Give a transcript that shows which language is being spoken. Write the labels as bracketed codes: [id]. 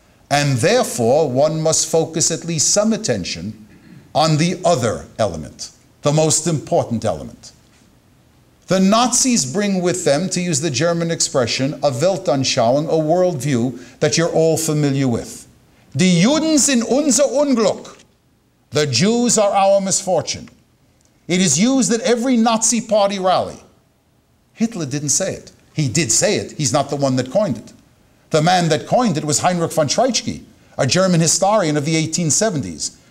[en] And therefore, one must focus at least some attention on the other element, the most important element. The Nazis bring with them, to use the German expression, a Weltanschauung, a worldview that you're all familiar with. [de] Die Juden sind unser Unglück. [en] The Jews are our misfortune. It is used at every Nazi party rally. Hitler didn't say it. He did say it. He's not the one that coined it. The man that coined it was Heinrich von Treitschke, a German historian of the 1870s.